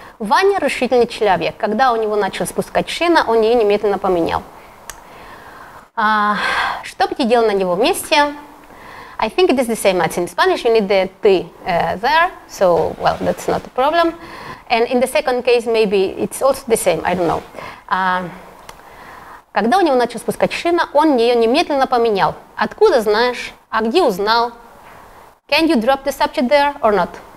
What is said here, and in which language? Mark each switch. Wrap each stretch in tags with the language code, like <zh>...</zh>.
<ru>Ваня решительный человек. Когда у него начал спускать шина, он ее немедленно поменял. Что бы ты делал на его месте?</ru> <en>I think it is the same as in Spanish. You need the ты there. So, well, that's not a problem. And in the second case, maybe it's also the same. I don't know.</en> <ru>Когда у него начал спускать шина, он ее немедленно поменял. Откуда знаешь? А где узнал?</ru> <en>Can you drop the subject there or not?</en>